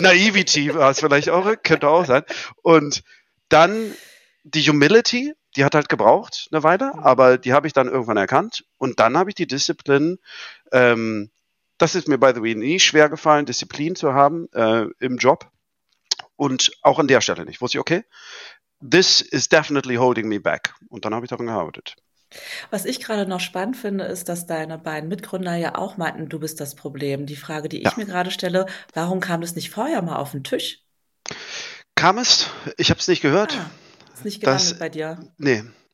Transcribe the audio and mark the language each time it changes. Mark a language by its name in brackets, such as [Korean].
[German] Naivety war es vielleicht auch, könnte auch sein. Und dann die Humility, die hat halt gebraucht eine Weile, aber die habe ich dann irgendwann erkannt. Und dann habe ich die Discipline, das ist mir, [English] by the way, [German] nie schwer gefallen, Disziplin zu haben im Job. Und auch an der Stelle nicht. [English] Wusste ich, okay, this is definitely holding me back. [German] Und dann habe ich daran gearbeitet. Was ich gerade noch spannend finde, ist, dass deine beiden Mitgründer ja auch meinten, du bist das Problem. Die Frage, die ich mir gerade stelle, warum kam das nicht vorher mal auf den Tisch? Kam es? Ich habe es nicht gehört. Ist nicht gelandet bei dir? Nee.